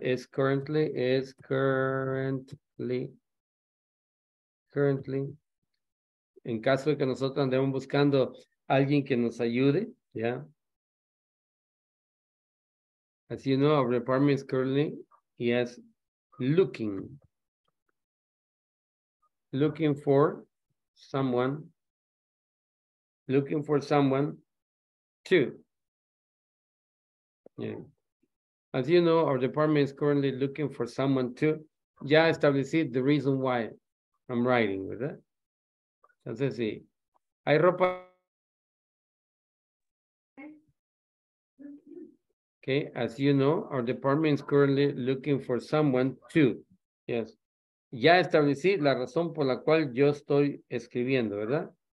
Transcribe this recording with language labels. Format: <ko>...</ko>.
<en>Is currently, en caso de que nosotros andemos buscando alguien que nos ayude, ¿ya? As you know, our department is currently, yes, looking for someone to. Yeah. As you know, our department is currently looking for someone to</en> <es>ya establecer</es> <en>the reason why I'm writing with it.</en> <es>Entonces, sí. Hay ropa.</es> <en>Okay, as you know, our department is currently looking for someone to. Yes.</en> <es>Ya establecí la razón por la cual yo estoy escribiendo, ¿verdad?</es>